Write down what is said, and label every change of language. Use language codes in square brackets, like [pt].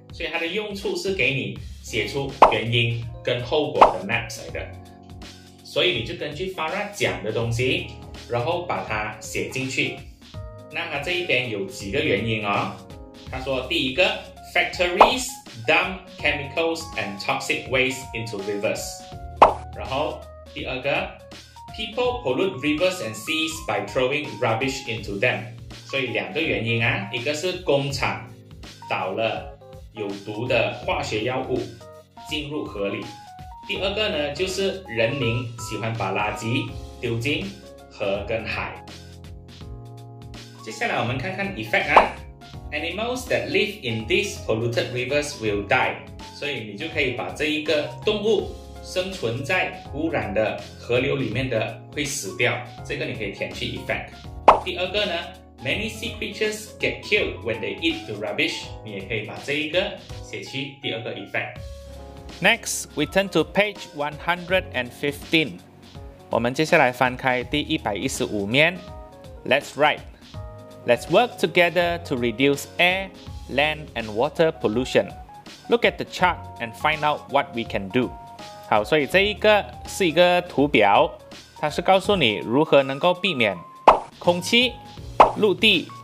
[zh] 所以它的用处是给你写出原因跟后果的 maps 来的。所以你就根据 Farah 讲的东西，然后把它写进去。那它这一边有几个原因哦。它说第一个 [en] factories dump chemicals and toxic waste into rivers. [zh] 然后第二个, [en] people pollute rivers and seas by throwing rubbish into them. [zh] 所以两个原因啊, 一个是工厂倒了有毒的化学药物进入河里, 第二个呢, 就是人民喜欢把垃圾丢进河跟海。接下来我们看看 effect 啊。 [en] Animals that live in these polluted rivers will die. [zh] 所以你就可以把这一个动物生存在污染的河流里面的会死掉。这个你可以填去effect. 第二个呢, [en] many sea creatures get killed when they eat the rubbish. [zh] 你也可以把这一个写去第二个effect. [en] Next, we turn to page 115. [zh] 我们接下来翻开第115面. [en] Let's write. Let's work together to reduce air, land, and water pollution. Look at the chart and find out what we can do. [zh] 好，所以这一个是一个图表，它是告诉你如何能够避免空气、陆地